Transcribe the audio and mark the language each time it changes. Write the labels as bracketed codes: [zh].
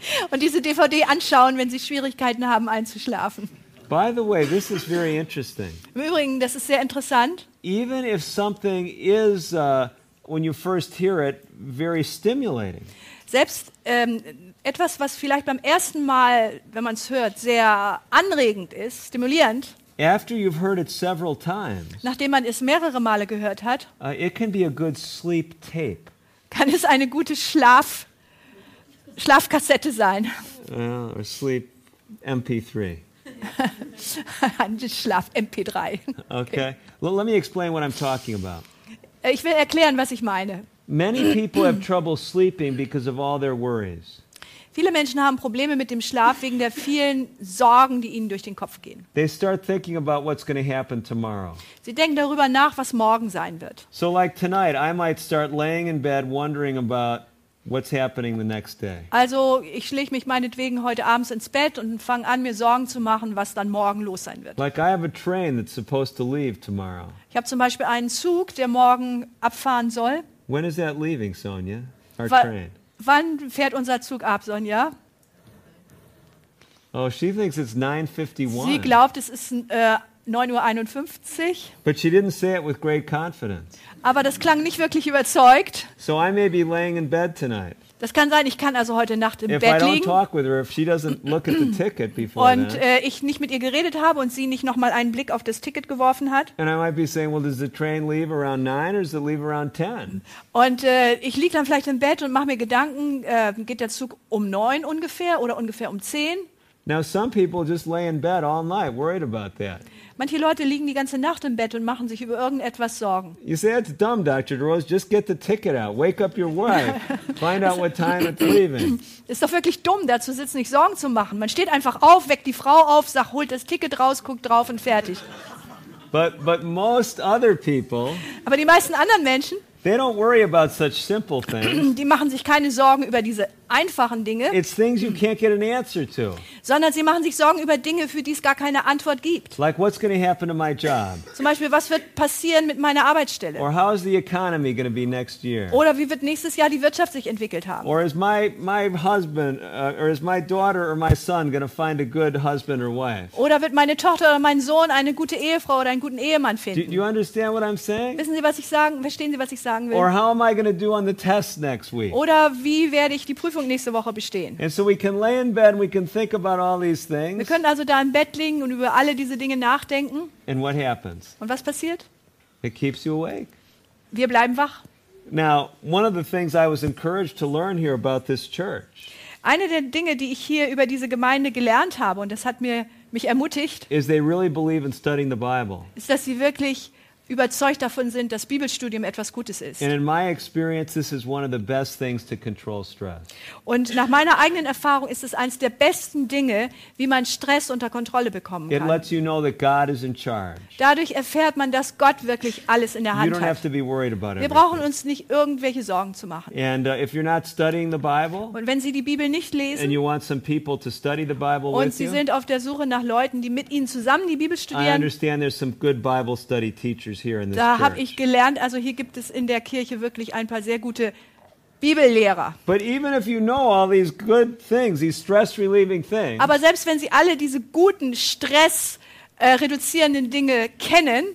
[de] Und diese DVD anschauen, wenn Sie Schwierigkeiten haben einzuschlafen. [en] By the way, this is very interesting. [de] Im Übrigen, das ist sehr interessant. [en] Even if something is when you first hear it, very stimulating. [de] Selbst etwas, was vielleicht beim ersten Mal, wenn man es hört, sehr anregend ist, stimulierend. [en] After you've heard it several times, [de] nachdem man es mehrere Male gehört hat, [en] it can be a good sleep tape. [de] Kann es eine gute Schlafkassette sein. [en] Or sleep MP3. [de] Ein Schlaf MP3. [en] Okay. Well, let me explain what I'm talking about. [de] Ich will erklären, was ich meine. [en] Many people have trouble sleeping because of all their worries. [de] Viele Menschen haben Probleme mit dem Schlaf wegen der vielen Sorgen, die ihnen durch den Kopf gehen. [en] They start thinking about what's going to happen tomorrow. [de] Sie denken darüber nach, was morgen sein wird. [en] So like tonight, I might start laying in bed wondering about what's happening the next day. [de] Also, ich schlich mich meinetwegen heute abends ins Bett und fange an, mir Sorgen zu machen, was dann morgen los sein wird. [en] Like I have a train that's supposed to leave tomorrow. [de] Ich habe zum Beispiel einen Zug, der morgen abfahren soll. [en] When is that leaving, Sonja? Our train. [de] Wann fährt unser Zug ab, Sonja? [en] Oh, she thinks it's 9:51. [de] Sie glaubt, es ist 9:51. [en] But she didn't say it with great confidence. [de] Aber das klang nicht wirklich überzeugt. [en] So I may be laying in bed tonight. [de] Das kann sein, ich kann also heute Nacht im Bett liegen. [en] If I don't talk with her, if she doesn't look at the ticket before [de] und ich nicht mit ihr geredet habe und sie nicht nochmal einen Blick auf das Ticket geworfen hat. [en] And I might be saying, well, does the train leave around 9 or does it leave around 10? [de] Und ich liege dann vielleicht im Bett und mache mir Gedanken, geht der Zug um 9 ungefähr oder ungefähr um 10? [en] Now some people just lay in bed all night, worried about that. [de] Manche Leute liegen die ganze Nacht im Bett und machen sich über irgendetwas Sorgen. [en] You say it's dumb, Dr. DeRose. Just get the ticket out. Wake up your wife. Find out what time it's leaving. [de] Ist doch wirklich dumm, da zu sitzen, sich Sorgen zu machen. Man steht einfach auf, weckt die Frau auf, sagt, holt das Ticket raus, guckt drauf und fertig. [en] But most other people. [de] Aber die meisten anderen Menschen. [en] They don't worry about such simple things. [de] Die machen sich keine Sorgen über diese einfachen Dinge. [en] It's things you can't get an answer to. [de] Sondern sie machen sich Sorgen über Dinge, für die es gar keine Antwort gibt. [en] Like what's going to happen to my job? [de] Zum Beispiel, was wird passieren mit meiner Arbeitsstelle? [en] Or how is the economy going to be next year? [de] Oder wie wird nächstes Jahr die Wirtschaft sich entwickelt haben? [en] Or is my husband or is my daughter or my son going to find a good husband or wife? [de] Oder wird meine Tochter oder mein Sohn eine gute Ehefrau oder einen guten Ehemann finden? [en] Do you understand what I'm saying? [de] Wissen Sie, was ich sagen? Verstehen Sie, was ich sagen will? [en] Or how am I going to do on the test next week? [de] Oder wie werde ich die Prüfung nächste Woche bestehen? [en] And so we can lay in bed and we can think about all these things. [de] Wir können also da im Bett liegen und über alle diese Dinge nachdenken. [en] And what happens? [de] Und was passiert? [en] It keeps you awake. [de] Wir bleiben wach. [en] Now, one of the things I was encouraged to learn here about this church. [de] Eine der Dinge, die ich hier über diese Gemeinde gelernt habe und das hat mich ermutigt. [en] Is they really believe in studying the Bible. [de] Ist, dass sie wirklich überzeugt davon sind, dass Bibelstudium etwas Gutes ist. [en] And in my experience, this is one of the best things to control stress. [de] Und nach meiner eigenen Erfahrung ist es eines der besten Dinge, wie man Stress unter Kontrolle bekommen kann. [en] It lets you know that God is in charge. [de] Dadurch erfährt man, dass Gott wirklich alles in der Hand hat. [en] You don't have to be worried about it. [de] Wir brauchen uns nicht irgendwelche Sorgen zu machen. [en] And if you're not studying the Bible, [de] und wenn Sie die Bibel nicht lesen, [en] and you want some people to study the Bible with you, [de] und Sie sind auf der Suche nach Leuten, die mit Ihnen zusammen die Bibel studieren, [en] I understand there's some good Bible study teachers. [de] Da habe ich gelernt, also hier gibt es in der Kirche wirklich ein paar sehr gute Bibellehrer. [en] But even if you know all these good things, these stress relieving things, [de] aber selbst wenn Sie alle diese guten Stress reduzierenden Dinge kennen,